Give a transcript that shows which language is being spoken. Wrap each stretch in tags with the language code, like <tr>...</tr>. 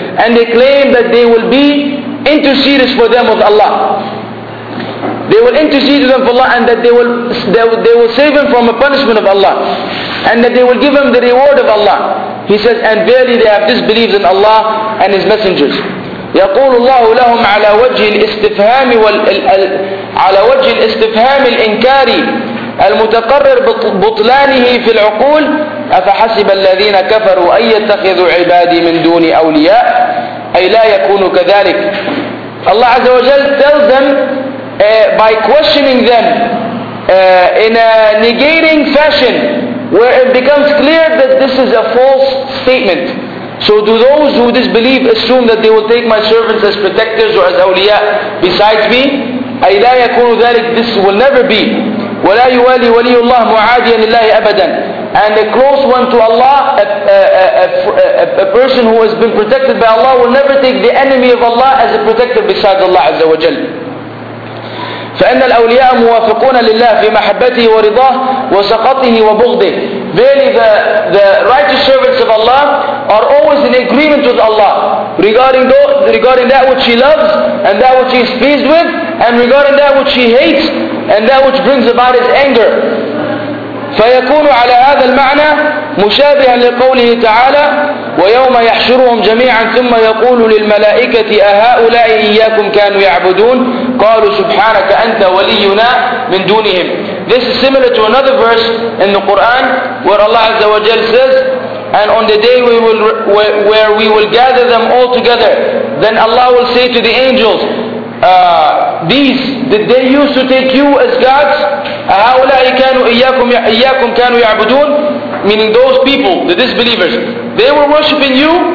<en>And they claim that they will be interceders for them with Allah. They will intercede them for Allah, and that they will save them from a punishment of Allah. And that they will give them the reward of Allah. He says, and verily they have disbelieved in Allah and His messengers.</en> <ar>يقول الله لهم على وجه الاستفهام على وجه الاستفهام الإنكار المتقرر بطلانه في العقول أفحسب الذين كفروا أن يتخذوا عبادي من دون أولياء أي لا يكون كذلك.</ar> <en>Allah عز وجل tells them by questioning them in a negating fashion, where it becomes clear that this is a false statement. So do those who disbelieve assume that they will take my servants as protectors or as awliya besides me?</en> <ar>أي لا يكون ذلك,</ar> <en>this will never be.</en> <ar>ولا يوالي ولي الله معاديا لله أبدا.</ar> <en>And a close one to Allah, a person who has been protected by Allah, will never take the enemy of Allah as a protector besides Allah عز وجل.</en> <ar>فإن الأولياء موافقون لله في محبته ورضاه وسخطه وبغضه.</ar> <en>Verily the righteous servants of Allah are always in agreement with Allah regarding that which He loves and that which He is pleased with, and regarding that which He hates and that which brings about His anger.</en> <ar>فيكون على هذا المعنى مشابها لقوله تعالى ويوم يحشرهم جميعا ثم يقول للملائكة أهؤلاء إياكم كانوا يعبدون قالوا سبحانك أنت ولينا من دونهم.</ar> <en>This is similar to another verse in the Quran where Allah Azza wa Jal says, and on the day where we will gather them all together, then Allah will say to the angels, these, did they used to take you as gods?</en> <ar>هَؤُلَاءِ كَانُوا إِيَّاكُمْ كَانُوا يَعْبُدُونَ,</ar> <en>meaning those people, the disbelievers, they were worshipping you.</en>